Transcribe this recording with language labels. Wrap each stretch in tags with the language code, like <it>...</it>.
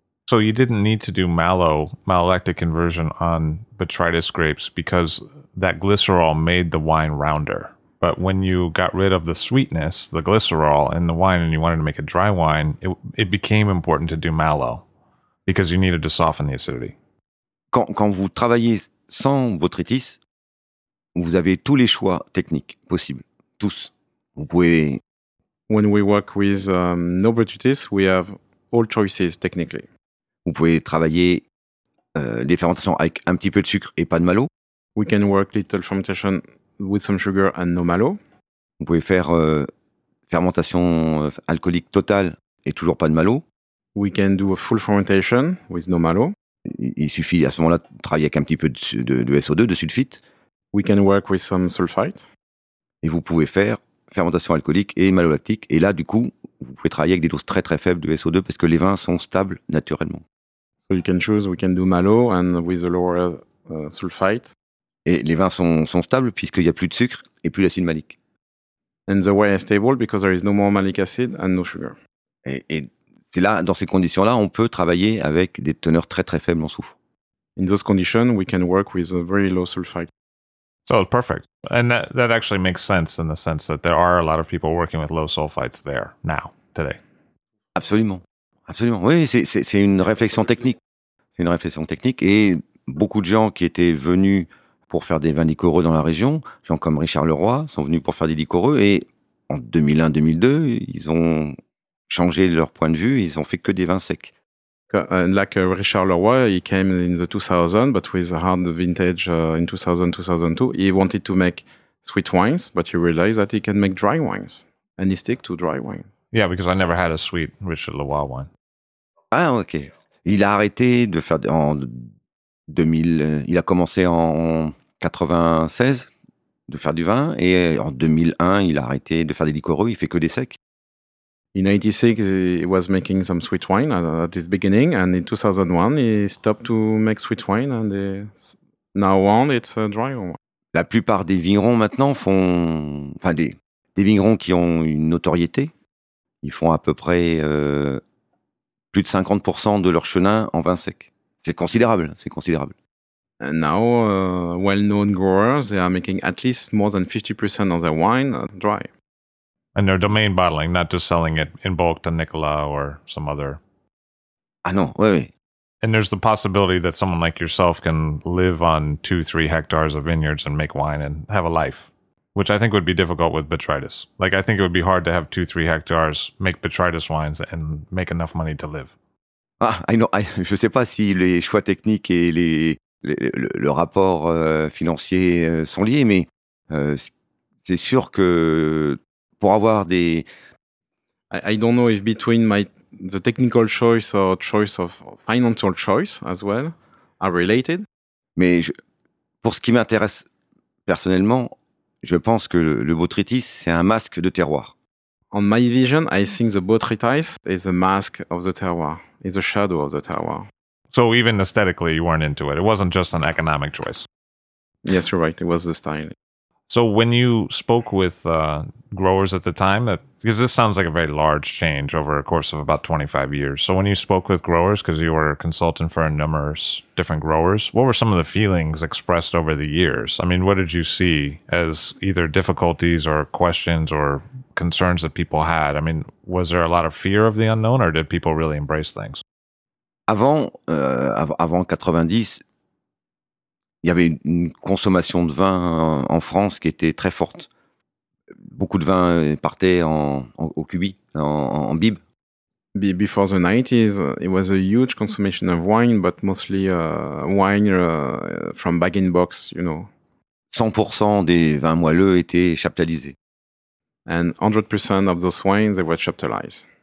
<en>So you didn't need to do malolactic conversion on botrytis grapes because that glycerol made the wine rounder. But when you got rid of the sweetness, the glycerol in the wine, and you wanted to make a dry wine, it became important to do malo because you needed to soften the acidity.</en> <fr>Quand vous travaillez sans botrytis, vous avez tous les choix techniques possibles, tous. Vous pouvez...</fr> <en>When we work with no botrytis, we have all choices technically.</en> <fr>Vous pouvez travailler des fermentations avec un petit peu de sucre et pas de malo.</fr> <en>We can work little fermentation with some sugar and no malo.</en> <fr>Vous pouvez faire fermentation alcoolique totale et toujours pas de malo.</fr> <en>We can do a full fermentation with no malo.</en> <fr>Il suffit à ce moment-là de travailler avec un petit peu de SO2, de sulfite.</fr> <en>We can work with some sulfite.</en> <fr>Et vous pouvez faire fermentation alcoolique et malolactique. Et là, du coup, vous pouvez travailler avec des doses très très faibles de SO2 parce que les vins sont stables naturellement.</fr> <en>So you can choose, we can do malo and with a lower sulfite.</en> <fr>Et les vins sont stables puisqu'il n'y a plus de sucre et plus d'acide malique.</fr> <en>And the wine is stable because there is no more malic acid and no sugar.</en> <fr>Et c'est là, dans ces conditions-là, on peut travailler avec des teneurs très très faibles en soufre.</fr> <en>In those conditions, we can work with a very low sulfite. So perfect. And that actually makes sense in the sense that there are a lot of people working with low sulfites there now, today.</en> <fr>Absolument. Absolument. Oui, c'est une réflexion technique. C'est une réflexion technique. Et beaucoup de gens qui étaient venus pour faire des vins liquoreux dans la région, gens comme Richard Leroy, sont venus pour faire des liquoreux. Et en 2001-2002, ils ont changé leur point de vue. Ils ont fait que des vins secs.</fr> <en>Like Richard Leroy, he came in the 2000, but with a hard vintage in 2000-2002. He wanted to make sweet wines, but he realized that he can make dry wines. And he stick to dry wine. Yeah, because I never had a sweet Richard Leroy wine.</en> <fr>Ah, ok. Il a arrêté de faire en 2000. Il a commencé en 96 de faire du vin. Et en 2001, il a arrêté de faire des liquoreux. Il fait que des secs.</fr> <en>In 1996, he was making some sweet wine at his beginning, and in 2001, he stopped to make sweet wine, and now on, it's a dry wine.</en> <fr>La plupart des vignerons maintenant font... Enfin, des vignerons qui ont une notoriété, ils font à peu près plus de 50% de leur chenin en vin sec. C'est considérable, c'est considérable.</fr> <en>And now, well-known growers, they are making at least more than 50% of their wine dry. And they're domain bottling, not just selling it in bulk to Nicolas or some other.</en> <fr>Ah non, oui, oui.</fr> <en>And there's the possibility that someone like yourself can live on 2-3 hectares of vineyards and make wine and have a life, which I think would be difficult with botrytis. Like, I think it would be hard to have 2-3 hectares, make botrytis wines, and make enough money to live.</en> <fr>Je ne sais pas si les choix techniques et le rapport financier sont liés, mais c'est sûr que pour avoir des...</fr> <en>I don't know if between the technical choice or choice of financial choice as well are related.</en> <fr>Mais pour ce qui m'intéresse personnellement, je pense que le botrytis, c'est un masque de terroir.</fr> <en>On my vision, I think the botrytis is a mask of the terroir, is a shadow of the terroir. So even aesthetically, you weren't into it. It wasn't just an economic choice. Yes, you're right. It was the styling. So when you spoke with growers at the time, because this sounds like a very large change over a course of about 25 years. So when you spoke with growers, because you were a consultant for a numerous different growers, what were some of the feelings expressed over the years? I mean, what did you see as either difficulties or questions or concerns that people had? I mean, was there a lot of fear of the unknown, or did people really embrace things?</en> <fr>Avant 90, il y avait une consommation de vin en France qui était très forte. Beaucoup de vin partait au cubi, en bib.</fr> <en>Before the 90s, it was a huge consumption of wine, but mostly wine from bag-in-box, you know.</en> <fr>100% des vins moelleux étaient chaptalisés.</fr> <en>And 100% of those wines, they were chaptalized.</en>